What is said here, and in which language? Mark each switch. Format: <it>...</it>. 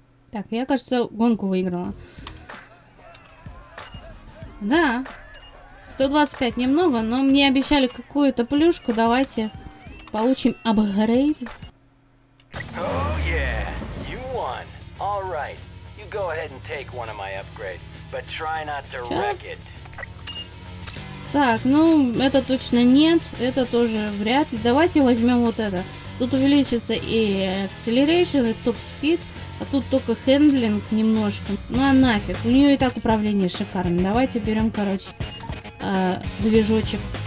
<ru>Так, я, кажется, гонку выиграла. Да. 125 немного, но мне обещали какую-то плюшку. Давайте получим апгрейд.</ru> <en>Oh, yeah. You won. All right. You go ahead and take one of my upgrades, but try not to wreck it.</en> <ru>Так, ну, это точно нет. Это тоже вряд ли. Давайте возьмем вот это. Тут увеличится и acceleration, и топ спид. А тут только хендлинг немножко. Ну а нафиг, у нее и так управление шикарное. Давайте берем, короче, движочек.</ru>